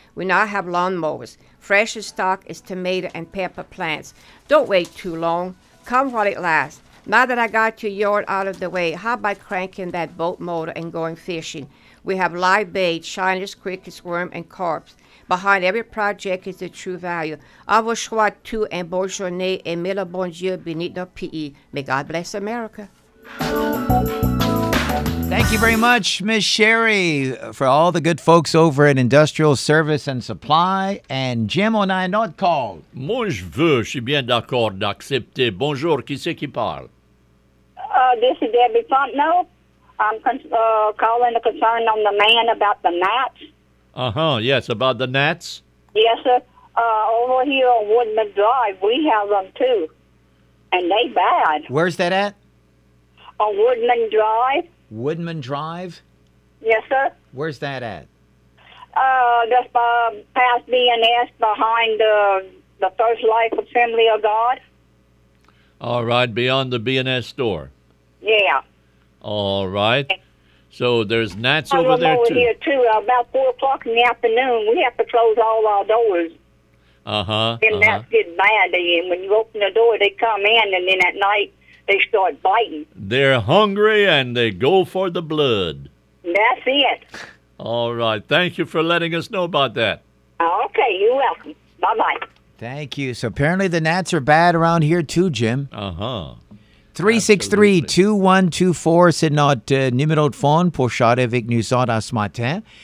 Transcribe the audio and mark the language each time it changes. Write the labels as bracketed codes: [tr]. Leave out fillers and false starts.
[en] We now have lawn mowers. Fresh in stock is tomato and pepper plants. Don't wait too long. Come while it lasts. Now that I got your yard out of the way, how about cranking that boat motor and going fishing? We have live bait, shiners, crickets, worm, and carp. Behind every project is the true value. [fr] Au revoir tout et bonne journée et mille bonjour beneath nos pieds. [en] May God bless America. Thank you very much, Miss Sherry, for all the good folks over at Industrial Service and Supply. And Jim, [fr] on a un autre call. Moi, je veux, je suis bien d'accord d'accepter. Bonjour, qui c'est qui parle? [en] This is Debbie Fontenot. I'm calling a concern on the man about the gnats. Uh-huh, yes, about the gnats? Yes, sir. Over here on Woodman Drive, we have them, too. And they bad. Where's that at? On Woodman Drive. Woodman Drive? Yes, sir. Where's that at? Just past B&S, behind the First Life Assembly of God. All right, beyond the B&S store. Yeah. All right. So there's gnats over there, too. I'm over here, too. About 4 o'clock in the afternoon, we have to close all our doors. Uh-huh. And gnats get mad. And when you open the door, they come in, and then at night, they start biting. They're hungry, and they go for the blood. That's it. All right. Thank you for letting us know about that. Okay. You're welcome. Bye-bye. Thank you. So apparently the gnats are bad around here, too, Jim. Uh-huh. [fr] 363-2124, c'est notre numéro de phone pour charter avec nous autres ce matin.